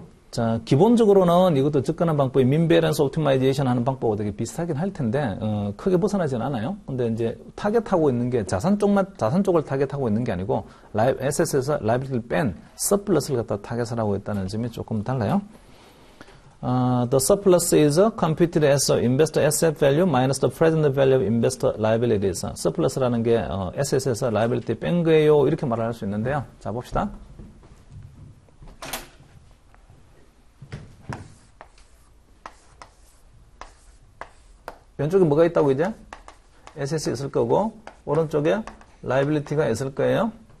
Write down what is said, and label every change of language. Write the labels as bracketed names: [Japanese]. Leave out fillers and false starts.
[Korean] 자, 기본적으로는 이것도 접근하는 방법이 민 밸런스 옵티마이제이션 하는 방법하고 되게 비슷하긴 할 텐데 크게 벗어나진 않아요. 근데 이제 타겟하고 있는 게 자산 쪽을 타겟하고 있는 게 아니고 에셋에서 라이빌리티를 뺀 서플러스를 갖다 타겟을 하고 있다는 점이 조금 달라요. [English] The surplus is computed as investor asset value minus the present value of investor liabilities. [Korean] surplus라는 게 에셋에서 라이빌리티 뺀 거예요. 이렇게 말할 수 있는데요. 자, 봅시다. 왼쪽에 뭐가 있다고 이제? assets 있을 거고 오른쪽에 liability가 있을 거예요.